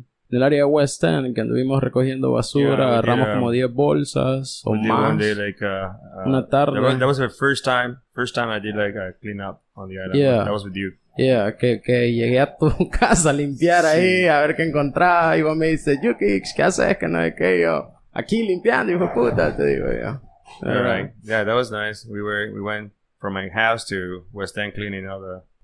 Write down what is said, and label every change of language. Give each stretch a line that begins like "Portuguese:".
Spanish: en el área West End, que anduvimos recogiendo basura, yeah, agarramos como 10 bolsas o más.
English: One day, like,
Spanish: una tarde.
English: That was the first time I did like a clean up on the island. Yeah. That was with you.
Spanish: Yeah, que llegué a tu casa a limpiar, sí, ahí, a ver qué encontraba. Y vos me dices, Yuki, ¿qué haces? Que no es que yo aquí limpiando, hijo puta, te digo yo.
English: Right. Yeah, that was nice. We went from my house to West End cleaning all the...